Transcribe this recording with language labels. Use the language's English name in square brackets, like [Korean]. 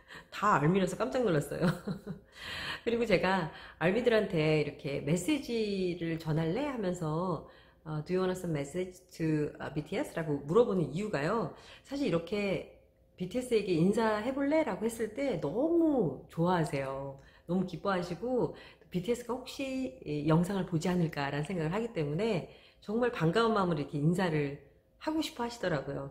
[Korean] 다 알미라서 깜짝 놀랐어요. 그리고 제가 알미들한테 이렇게 메시지를 전할래? 하면서 [English] Do you want some message to BTS? [Korean] 라고 물어보는 이유가요. 사실 이렇게 BTS에게 인사해볼래? 라고 했을 때 너무 좋아하세요. 너무 기뻐하시고 BTS가 혹시 영상을 보지 않을까라는 생각을 하기 때문에 정말 반가운 마음으로 이렇게 인사를 하고 싶어 하시더라고요.